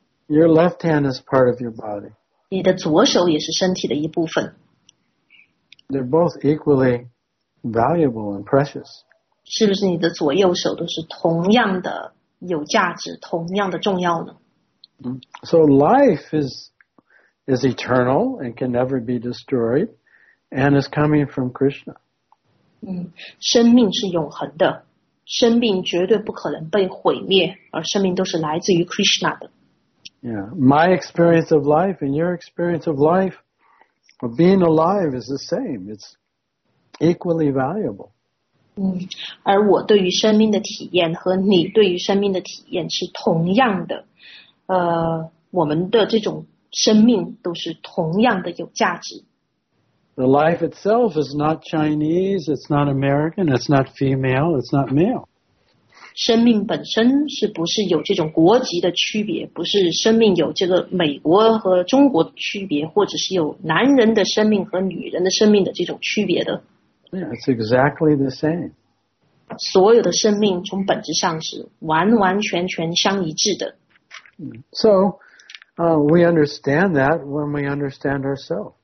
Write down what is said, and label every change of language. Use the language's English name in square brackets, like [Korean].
[English] Your left hand is part of your body. [Chinese] 你的左手也是身体的一部分。 [English] They're both equally valuable and precious. [Chinese] 是不是你的左右手都是同样的有价值，同样的重要呢？ [English] So life is eternal and can never be destroyed and is coming from Krishna. [Chinese] 生命是永恒的，生命绝对不可能被毁灭，而生命都是来自于 Krishna 的。 [English] Yeah, my experience of life and your experience of life, of being alive is the same. It's equally valuable. [Chinese] 而我对于生命的体验和你对于生命的体验是同样的，我们的这种生命都是同样的有价值。 [English] The life itself is not Chinese, it's not American, it's not female, it's not male. [Chinese] 生命本身是不是有这种国籍的区别，不是生命有这个美国和中国的区别，或者是有男人的生命和女人的生命的这种区别的。 [English] Yeah, it's exactly the same. [Chinese] 所有的生命从本质上是完完全全相一致的。 [English] So,we understand that when we understand ourselves.